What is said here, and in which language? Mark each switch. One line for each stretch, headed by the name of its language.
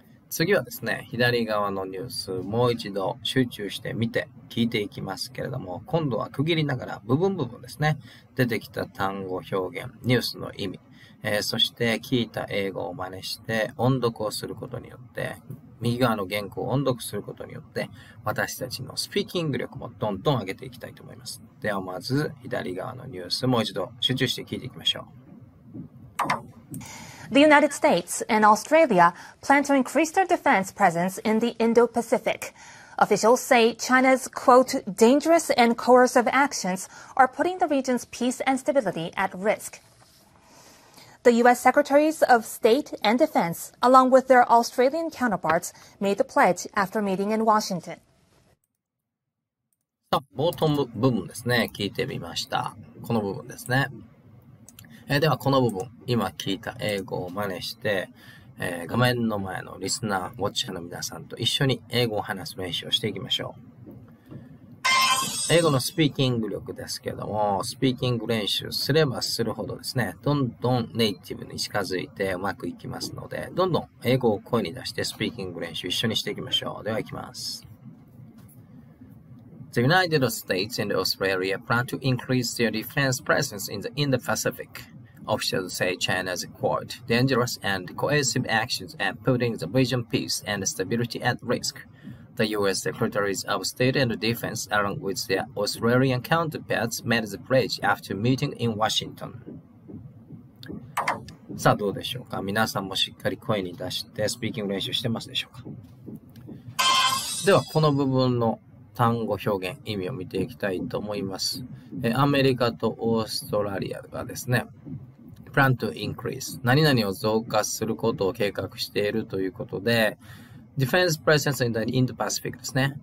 Japanese: 次はですね、左側のニュースもう一度集中して見て聞いていきますけれども、今度は区切りながら部分部分ですね、出てきた単語表現、ニュースの意味、そして聞いた英語を真似して音読をすることによって、右側の原稿を音読することによって私たちのスピーキング力もどんどん上げていきたいと思います。ではまず左側のニュースもう一度集中して聞いていきましょう。
English: The United States and Australia plan to increase their defense presence in the Indo-Pacific. Officials say China's, quote, dangerous and coercive actions are putting the region's peace and stability at risk. The U.S. Secretaries of State and Defense, along with their Australian counterparts, made the pledge after meeting in Washington.
Japanese: 冒頭部分ですね、聞いてみました。この部分ですね。ではこの部分、今聞いた英語を真似して、画面の前のリスナー、ウォッチャーの皆さんと一緒に英語を話す練習をしていきましょう。英語のスピーキング力ですけども、スピーキング練習すればするほどですね、どんどんネイティブに近づいてうまくいきますので、どんどん英語を声に出してスピーキング練習一緒にしていきましょう。では行きます。
English: The United States and Australia plan to increase their defense presence in the Indo-Pacific. Officials say China's quote, dangerous and coercive actions are putting the region peace and stability at risk. The U.S. Secretaries of State and Defense, along with their Australian counterparts, made the pledge after meeting in Washington.
Japanese: さあ、どうでしょうか。皆さんもしっかり声に出してスピーキング練習してますでしょうか。では、この部分の単語表現、意味を見ていきたいと思います。アメリカとオーストラリアがですね、
English: plan to increase、
Japanese: 何々を増加することを計画しているということで、
English: Defense presence in the Indo-Pacific
Japanese: ですね。